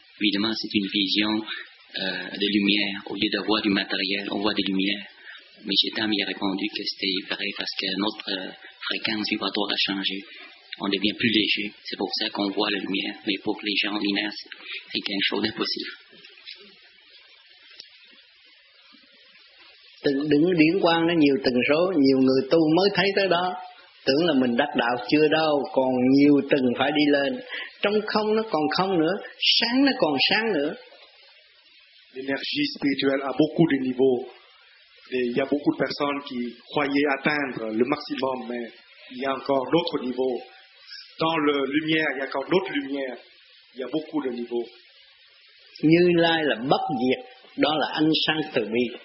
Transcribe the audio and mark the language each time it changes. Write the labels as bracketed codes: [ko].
[fr] Évidemment, c'est une vision de lumière. Au lieu de voir du matériel, on voit des lumières. Mais j'ai tant bien répondu que c'était vrai parce que notre fréquence vibratoire a changé. On devient plus léger. C'est pour ça qu'on voit la lumière. Mais pour les gens ordinaires, c'est quelque chose d'impossible. [vi] Đứng điển quang nó nhiều tần số, nhiều người tu mới thấy tới đó. Tưởng là mình đắc đạo chưa đâu, còn nhiều tầng phải đi lên. Trong không nó còn không nữa, sáng nó còn sáng nữa. [fr] L'énergie spirituelle a beaucoup de niveaux. Et il y a beaucoup de personnes qui croyaient atteindre le maximum, mais il y a encore d'autres niveaux. Dans la lumière, il y a encore d'autres lumières. Il y a beaucoup de niveaux. [vi] Như Lai là bất diệt, đó là ánh sáng từ bi.